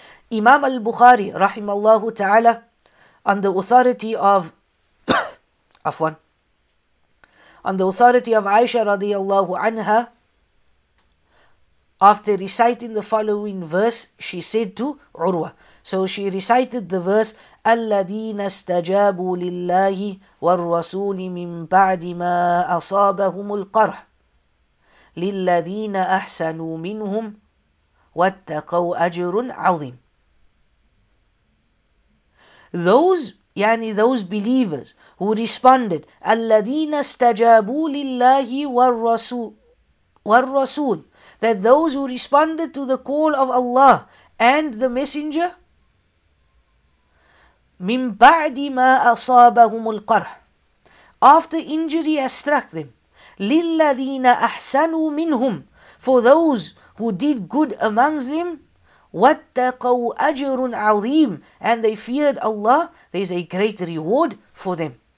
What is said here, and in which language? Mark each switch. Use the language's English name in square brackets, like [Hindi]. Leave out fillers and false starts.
[English] Imam al-Bukhari rahimallahu ta'ala, on the authority of on the authority of Aisha radiallahu anha, after reciting the following verse, she said to Urwa. So she recited the verse, [Arabic] أَلَّذِينَ اسْتَجَابُوا لِلَّهِ وَالرَّسُولِ مِنْ بَعْدِ مَا أَصَابَهُمُ الْقَرْحِ لِلَّذِينَ أَحْسَنُوا مِنْهُمْ وَاتَّقَوْا أَجْرٌ عَظِيمٌ. [English] Those believers who responded, [Arabic] أَلَّذِينَ اسْتَجَابُوا لِلَّهِ وَالرَّسُولِ والرسول, [English] that those who responded to the call of Allah and the Messenger, [Arabic] مِنْ بَعْدِ مَا أَصَابَهُمُ الْقَرْحِ, [English] after injury has struck them, [Arabic] لِلَّذِينَ أَحْسَنُوا مِنْهُمْ, [English] for those who did good amongst them, [Arabic] وَاتَّقَوْا أَجْرٌ عَظِيمٌ, [English] and they feared Allah, there is a great reward for them.